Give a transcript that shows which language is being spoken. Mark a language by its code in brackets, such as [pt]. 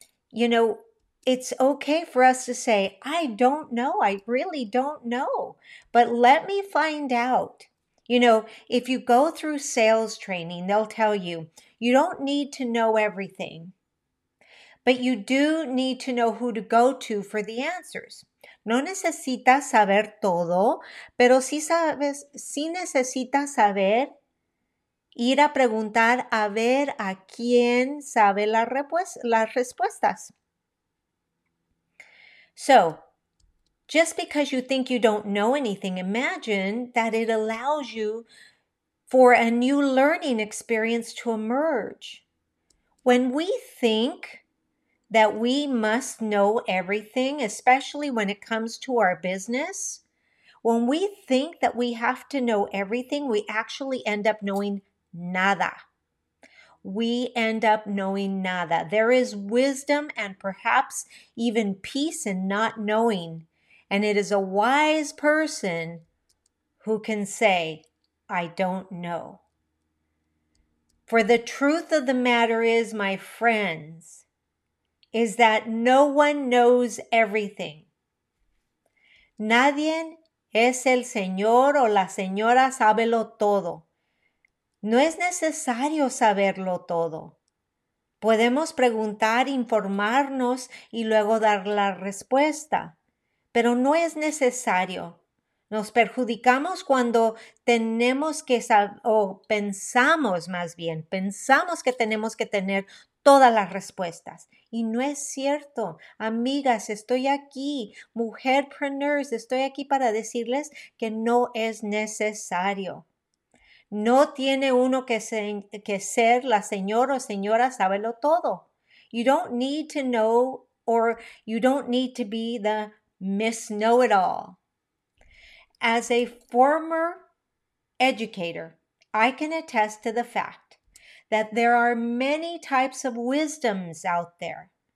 [en] You know, it's okay for us to say, I don't know, I really don't know, but let me find out. You know, if you go through sales training, they'll tell you, You don't need to know everything, but you do need to know who to go to for the answers. [es] No necesitas saber todo, pero sí sabes, sí necesitas saber ir a preguntar a ver a quién sabe las respuestas. [en] So, just because you think you don't know anything, imagine that it allows you for a new learning experience to emerge. When we think that we must know everything, especially when it comes to our business, when we think that we have to know everything, we actually end up knowing nada. We end up knowing nada. There is wisdom and perhaps even peace in not knowing. And it is a wise person who can say, I don't know. For the truth of the matter is, my friends, is that no one knows everything. [es] Nadie es el señor o la señora sábelo todo. No es necesario saberlo todo. Podemos preguntar, informarnos y luego dar la respuesta. Pero no es necesario. Nos perjudicamos cuando tenemos que saber, o pensamos más bien, pensamos que tenemos que tener todas las respuestas. Y no es cierto. Amigas, estoy aquí. Mujerpreneurs, estoy aquí para decirles que no es necesario. No tiene uno que ser la señora o señora sábelo todo. [en] You don't need to know or you don't need to be the Miss Know-It-All. As a former educator, I can attest to the fact that there are many types of wisdoms out there.